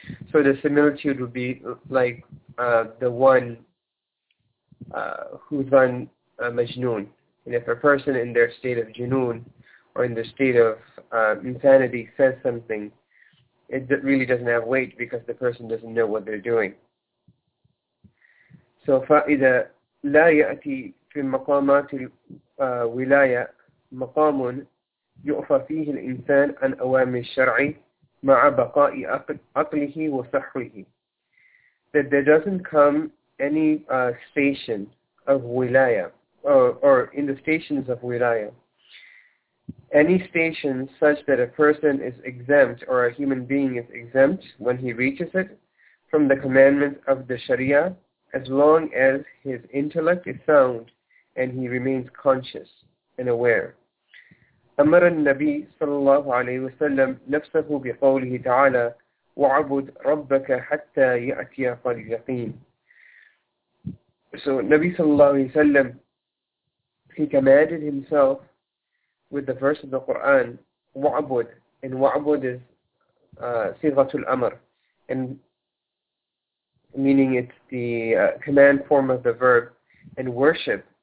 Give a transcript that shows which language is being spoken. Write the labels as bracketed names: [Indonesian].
[English] So the similitude would be like the one who's on majnoon. And if a person in their state of junoon or in their state of insanity says something, it really doesn't have weight because the person doesn't know what they're doing. [Arabic] So فإذا لا يأتي في مقامات الولاية مقام يعفى فيه الإنسان عن أوامر الشرع مع بقاء عقله وصحه. [English] That there doesn't come any station of wilaya, or in the stations of wilaya, any station such that a person is exempt or a human being is exempt when he reaches it from the commandments of the Sharia, as long as his intellect is sound and he remains conscious and aware. [Arabic] أمر النبي صلى الله عليه وسلم نفسه بقوله تعالى وعبد ربك حتى يأتي اليقين. [English] So Nabi صلى الله عليه وسلم, he commanded himself with the verse of the Quran وعبد, and وعبد is صيغة الأمر, and meaning it's the command form of the verb, and worship.